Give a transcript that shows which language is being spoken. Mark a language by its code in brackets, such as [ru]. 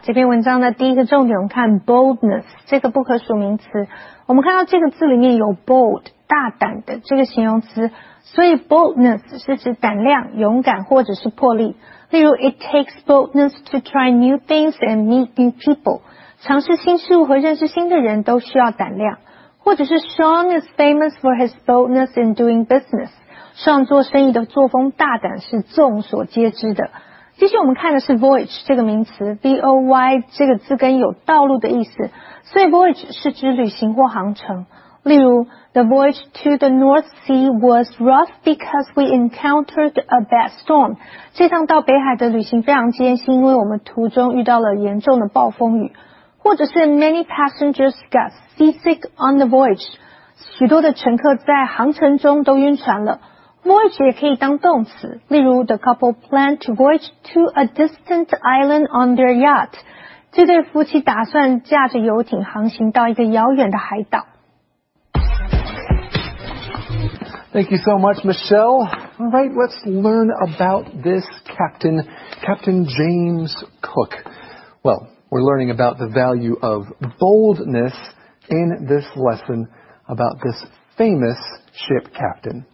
[zh] 这篇文章的第一个重点我们看 boldness, 这个不可数名词。我们看到这个字里面有 bold, 大胆的这个形容词。所以 boldness 是指胆量、勇敢或者是魄力。例如 [en] it takes boldness to try new things and meet new people. [zh] 尝试新事物和认识新的人都需要胆量。或者是 [en] Sean is famous for his boldness in doing business. [zh] Sean 做生意的作风大胆是众所皆知的。接下来我们看的是 voyage 这个名词 ,V-O-Y 这个字根有道路的意思。所以 voyage 是指旅行或航程。例如 [en] ,the voyage to the North Sea was rough because we encountered a bad storm. [zh] 这趟到北海的旅行非常艰辛因为我们途中遇到了严重的暴风雨。或者是 [en] many passengers got seasick on the voyage. [zh] 许多的乘客在航程中都晕船了。Voyage 也可以当动词例如 [en] The couple planned to voyage to a distant island on their yacht [zh] 这对夫妻打算驾着游艇航行到一个遥远的海岛 [en] Thank you so much, Michelle Alright, let's learn about this Captain James Cook Well, we're learning about the value of boldness in this lesson about this famous ship captain.